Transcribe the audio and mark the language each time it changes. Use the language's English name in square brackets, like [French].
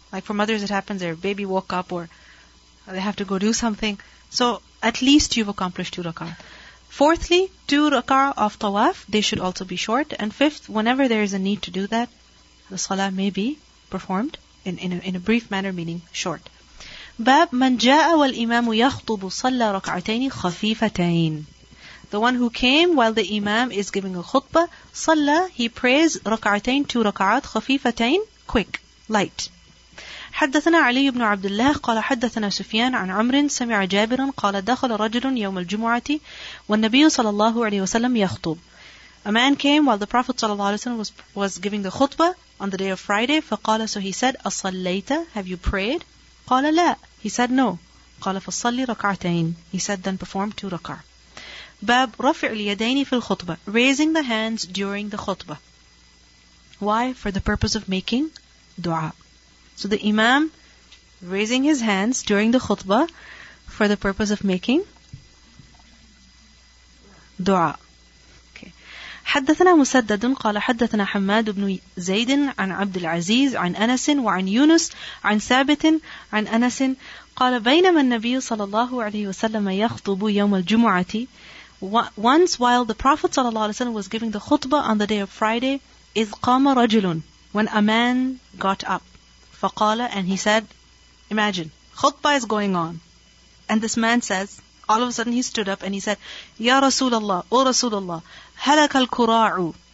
[English] Like for mothers, it happens, their baby woke up or they have to go do something. So at least you've accomplished 2 rakaat. Fourthly, 2 rakaat of tawaf, they should also be short. And fifth, whenever there is a need to do that, the salah may be performed in a brief manner, meaning short. [Arabic] باب من جاء والإمام يخطب صلى ركعتين خفيفتين. [English] The one who came while the imam is giving a khutbah, صلى, he prays ركعتين, 2 rakaat, خفيفتين, quick, light. [Arabic] حدثنا علي بن عبد الله قال حدثنا سفيان عن عمر سمع جابرا قال دخل رجل يوم الجمعة والنبي صلى الله عليه وسلم يخطب. [English] A man came while the Prophet [Arabic] صلى الله عليه وسلم [English] was giving the khutbah on the day of Friday. [Arabic] فقال, [English] so he said, [Arabic] أصليت, [English] have you prayed? [Arabic] قال لا. [English] He said no. [Arabic] قال فصلي ركعتين. [English] He said then perform 2 rakah. [Arabic] باب رفع اليدين في الخطبة. [English] Raising the hands during the khutbah. Why? For the purpose of making dua. So the imam raising his hands during the khutbah for the purpose of making dua. [Arabic] حدثنا مسدد قال حدثنا حماد بن زيد عن عبد العزيز عن أنس وعن يونس عن ثابت عن أنس قال بينما النبي صلى الله عليه وسلم يخطب يوم الجمعة. [English] Once while the Prophet [Arabic] صلى الله عليه وسلم [English] was giving the khutbah on the day of Friday, [Arabic] إذ قام رجل, [English] when a man got up, [Arabic] فقال, [English] and he said, imagine, khutbah is going on, and this man says, all of a sudden he stood up and he said, Ya Rasulullah, O Rasulullah, [Arabic] Halaka al-Kura'u.